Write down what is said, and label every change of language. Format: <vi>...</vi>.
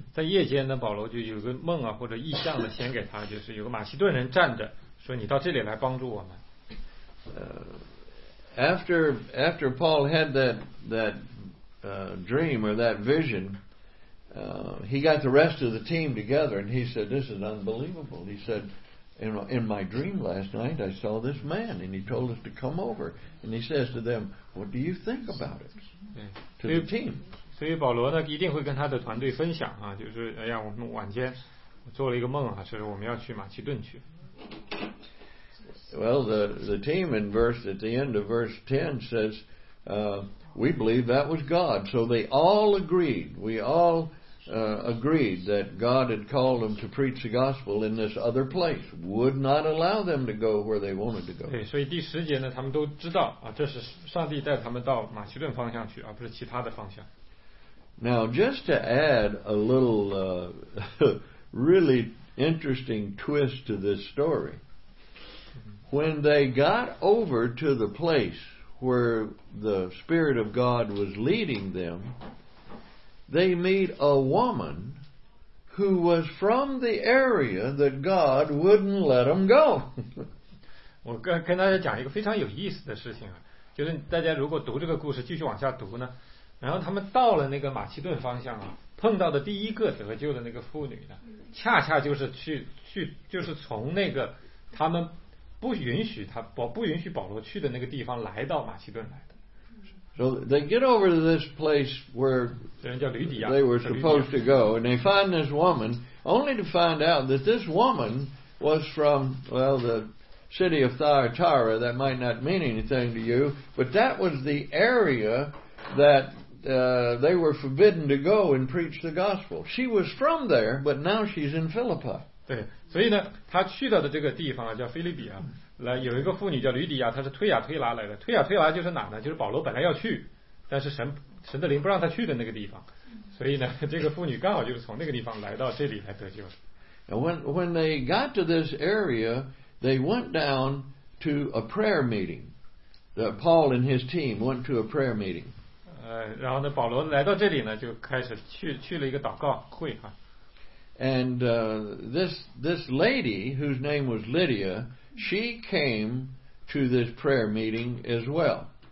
<zh>在夜间呢，保罗就有个梦啊，或者异象呢，显给他，就是有个马其顿人站着。说你到这里来帮助我们。</zh> <en>After Paul had that dream or that vision, he got the rest of the team together and he said, "This is unbelievable." He said, "In my dream last night, I saw this man, and he told us to come over." And he says to them, "What do you think about it?" To the team.</en> <zh>所以保罗呢，一定会跟他的团队分享啊，就是哎呀，我们晚间我做了一个梦啊，是我们要去马其顿去。</zh> <en>Well, the team in verse at the end of verse 10 says, "We believe that was God." So they all agreed. We all agreed that God had called them to preach the gospel in this other place. Would not allow them to go where they wanted to go.</en> <zh>对，所以第十节呢，他们都知道啊，这是上帝带他们到马其顿方向去，而不是其他的方向。</zh> <en>Now, just to add a little really interesting twist to this story. When they got over to the place where the Spirit of God was leading them, they meet a woman who was from the area that God wouldn't let them go.</en> <zh>我跟大家讲一个非常有意思的事情啊，就是大家如果读这个故事继续往下读呢，然后他们到了那个马其顿方向啊，碰到的第一个得救的那个妇女呢，恰恰就是去就是从那个他们不允许保罗去的那个地方来到马其顿来的。</zh> <en>So they get over to this place where they were supposed to go, and they find this woman, only to find out that this woman was from, well, the city of Thyatira. That might not mean anything to you, but that was the area that they were forbidden to go and preach the gospel. She was from there, but now she's in Philippi.</en> <zh>对，所以呢，他去到的这个地方叫腓立比啊，来有一个妇女叫吕底亚，她是推亚推拉来的。推亚推拉就是哪呢？就是保罗本来要去，但是神的灵不让他去的那个地方。所以呢，这个妇女刚好就是从那个地方来到这里来得救。</zh> <en>When they got to this area, they went down to a prayer meeting. Paul and his team went to a prayer meeting.</en> <zh>然后呢，保罗来到这里呢，就开始去了一个祷告会哈。</zh> <en>And this lady, whose name was Lydia, she came to this prayer meeting as well.</en>